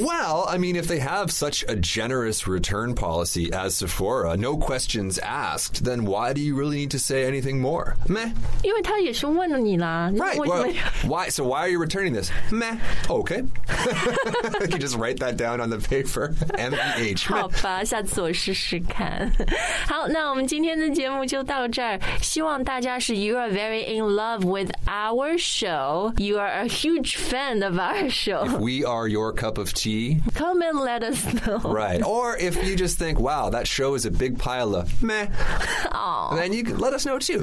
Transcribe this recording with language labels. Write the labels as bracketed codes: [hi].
[en] Well, I mean, if they have such a generous return policy as Sephora, no questions asked, then why do you really need to say anything more? Meh. [zh] 因为他也是问了你 [en] Right, well, why, so why are you returning this? Meh, okay. you just write that down on the paper. M-E-H. [zh] 好吧下次我试试看。好那我们今天的节目就到这儿。希望大家是 [en] you are very in love with our show. You are a huge fan of our show. If we are your cup of tea. Come and let us know. Right, or if you just think, wow, that show is a big pile of meh. Oh. Then you can let us know too.